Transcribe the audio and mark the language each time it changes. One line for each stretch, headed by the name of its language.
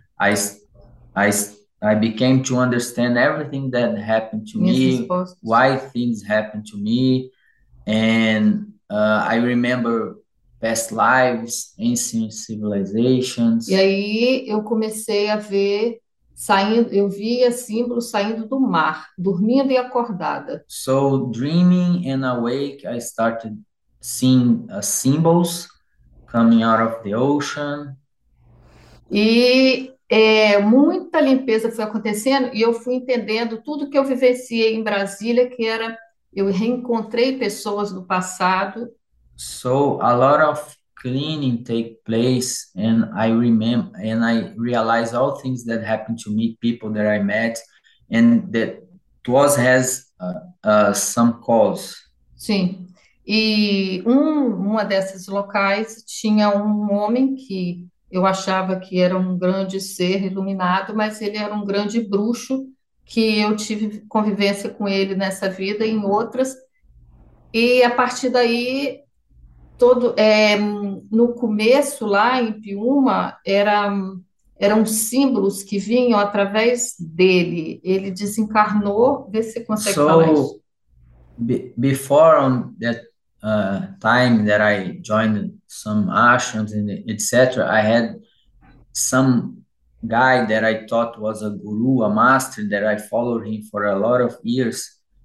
English: I became to understand everything that happened to me, why things happened to me, and I remember past lives, ancient civilizations.
Portuguese: E aí eu comecei a ver saindo, eu via símbolos saindo do mar, dormindo e acordada.
English: So dreaming and awake, I started seeing symbols coming out of the ocean.
Portuguese: E muita limpeza foi acontecendo e eu fui entendendo tudo que eu vivenciei em Brasília, que era, eu reencontrei pessoas do passado.
English: So a lot of cleaning take place, and I remember, and I realize all things that happened to me, people that I met, and that was has some cause.
Portuguese: Sim. E uma dessas locais tinha homem que eu achava que era grande ser iluminado, mas ele era grande bruxo que eu tive convivência com ele nessa vida e em outras. E a partir daí, todo no começo lá em Piuma, eram símbolos que vinham através dele. Ele desencarnou, vê se você consegue
English: so,
Portuguese: falar isso.
English: Before on that time that I joined some ashrams and etc., I had some guy that I thought was a guru, a master, that I followed him for a lot of years.